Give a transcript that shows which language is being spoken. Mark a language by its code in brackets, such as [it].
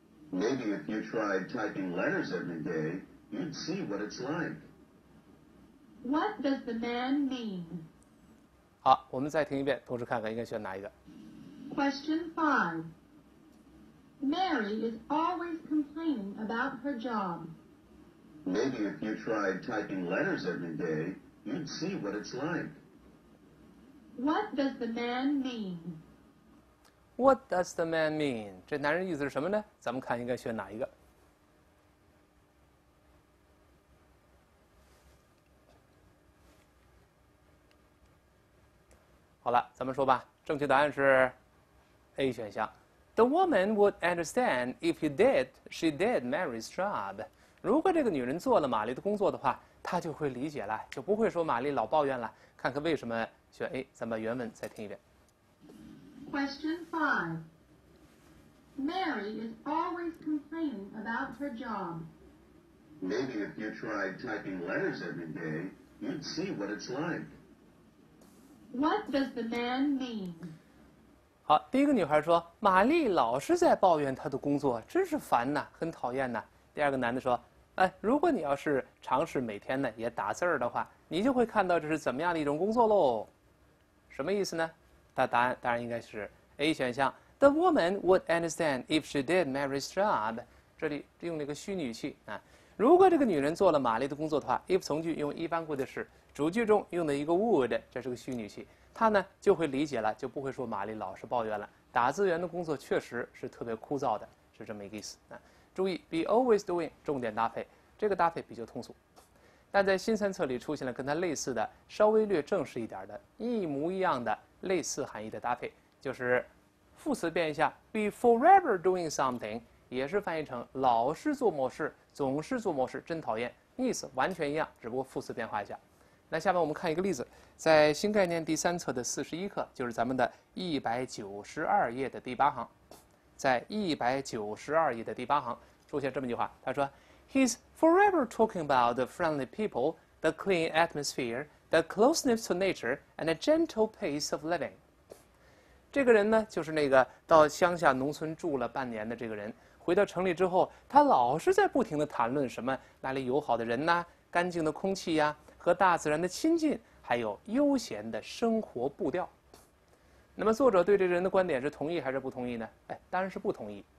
[en] Maybe if you tried typing letters every day, you'd see what it's like. What does the man mean? [zh] 好，我们再听一遍，同时看看应该选哪一个。 [en] Question five. Mary is always complaining about her job. Maybe if you tried typing letters every day, you'd see what it's like. What does the man mean? What does the man mean? [zh] 这男人意思是什么呢？咱们看应该选哪一个。好了，咱们说吧，正确答案是 A 选项。 [en] The woman would understand if he did, she did Mary's job. [zh] 如果这个女人做了玛丽的工作的话，她就会理解了，就不会说玛丽老抱怨了。看看为什么选 A， 咱们把原文再听一遍。 [en] Question five. Mary is always complaining about her job. Maybe if you tried typing letters every day, you'd see what it's like. What does the man mean? [zh] 好，第一个女孩说，玛丽老是在抱怨她的工作，真是烦呐，很讨厌呐。第二个男的说，哎，如果你要是尝试每天呢也打字儿的话，你就会看到这是怎么样的一种工作喽。什么意思呢？那答案当然应该是 A 选项。 [en] The woman would understand if she did Mary's job。 [zh] 这里用了一个虚拟语气啊。如果这个女人做了玛丽的工作的话 ，if 从句用一般过去式，主句中用的一个 would， 这是个虚拟语气，她呢就会理解了，就不会说玛丽老是抱怨了。打字员的工作确实是特别枯燥的，是这么一个意思啊。注意 be always doing 重点搭配，这个搭配比较通俗。但在新三册里出现了跟它类似的、稍微略正式一点的、一模一样的、类似含义的搭配，就是副词变一下 ， [en] be forever doing something， [zh] 也是翻译成老是做某事、总是做某事，真讨厌，意思完全一样，只不过副词变化一下。那下面我们看一个例子，在新概念第三册的41课，就是咱们的192页的第八行，在192页的第八行出现这么一句话，他说。 [en] He's forever talking about the friendly people, the clean atmosphere, the closeness to nature, and the gentle pace of living. [zh] 这个人呢，就是那个到乡下农村住了半年的这个人。回到城里之后，他老是在不停地谈论什么那里友好的人呐、干净的空气呀、和大自然的亲近，还有悠闲的生活步调。那么，作者对这个人的观点是同意还是不同意呢？哎，当然是不同意。